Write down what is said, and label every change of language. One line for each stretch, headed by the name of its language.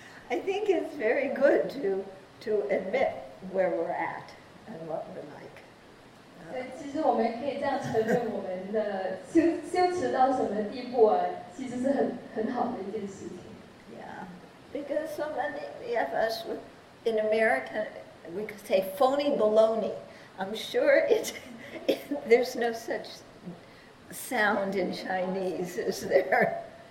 English: I think it's very good to admit where we're at and what we're like.
Chinese: 其实我们可以这样承认我们的羞耻到什么地步啊，其实是很好的一件事情。Yeah,
English: because so many of us in America, we could say phony baloney. I'm sure there's no such sound in Chinese, is there?